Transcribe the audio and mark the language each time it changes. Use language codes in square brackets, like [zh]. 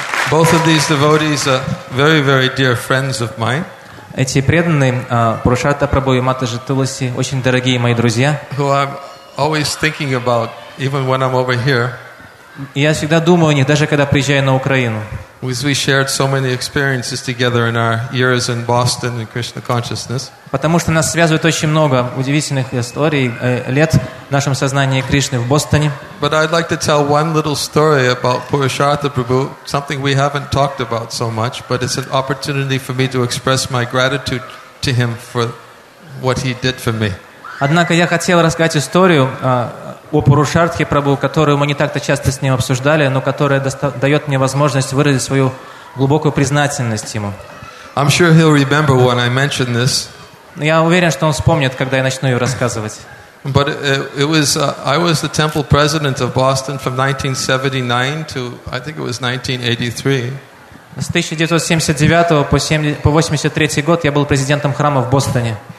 [en] Both of these devotees are very, very dear friends of mine. [ru] Эти преданные Пурушарта Прабху и Матаджи Туласи очень дорогие мои друзья. [en] Who I'm always thinking about, even when I'm over here. [ru] Я всегда думаю о них, даже когда приезжаю на Украину. [en] We shared so many experiences together in our years in Boston in Krishna consciousness. [ru] Потому что нас связывает очень много удивительных историй лет в нашем сознании Кришны в Бостоне. [en] But I'd like to tell one little story about Purusharta Prabhu, something we haven't talked about so much, but it's an opportunity for me to express my gratitude to him for what he did for me. [ru] Однако я хотел рассказать историю о Пурушартхе Прабху, которую мы не так-то часто с ним обсуждали, но которая дает мне возможность выразить свою глубокую признательность ему. [en] I'm sure he'll remember when I mention this. [ru] Я уверен, что он вспомнит, когда я начну ее рассказывать. [en] But I was the temple president of Boston from 1979 to, I think it was 1983. [ru] С 1979 по 83 год я был президентом храма в Бостоне.